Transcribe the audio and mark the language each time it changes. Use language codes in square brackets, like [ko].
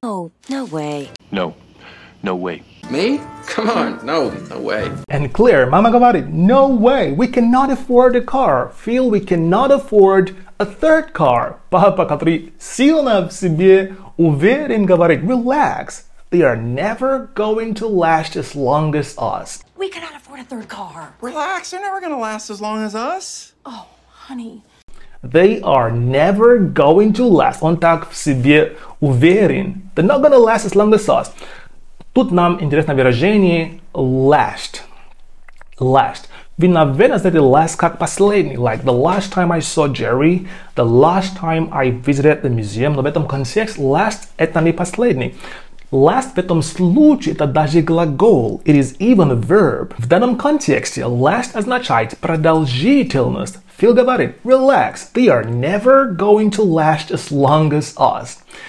[en] No, no way. No, no way. Me? Come on, no, no way. And Claire, [ru] мама говорит, [en] no way, we cannot afford a car. Phil, we cannot afford a third car. [ru] Папа, который сильно в себе уверен, говорит, relax. [en] They are never going to last as long as us. We cannot afford a third car. Relax, they're never going to last as long as us. Oh, honey. They are never going to last. [ru] Он так в себе уверен. [en] They're not going to last as long as us. [ru] Тут нам интересно выражение last. [en] Last. [ru] Вы, наверное, знаете last как последний. [en] Like the last time I saw Jerry, the last time I visited the museum. [ru] Но в этом контексте last это не последний. Last в этом случае это даже глагол. [en] It is even a verb. [ru] В данном контексте last означает продолжительность. [en] Phil [ru] говорит, [en] relax, they are never going to last as long as us.